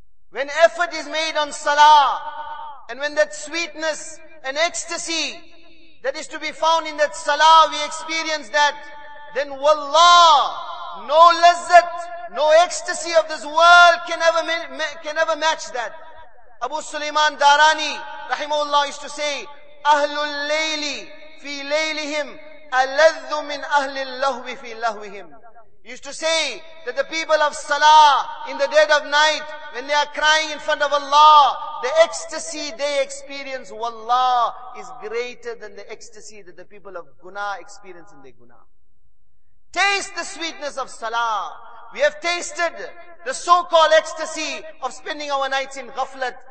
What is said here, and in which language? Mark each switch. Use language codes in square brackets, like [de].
[en] When effort is made on salah, and when that sweetness and ecstasy that is to be found in that salah, we experience that, then wallah, no lazzat, no ecstasy of this world can ever match that. Abu Sulaiman Darani, rahimahullah, used to say, [ar] أهل الليل في ليلهم ألذ من أهل اللهو في لهوهم. [en] Used to say that the people of Salah in the dead of night, when they are crying in front of Allah, the ecstasy they experience, wallah, is greater than the ecstasy that the people of Guna experience in their Guna. Taste the sweetness of Salah. We have tasted the so-called ecstasy of spending our nights in ghaflat.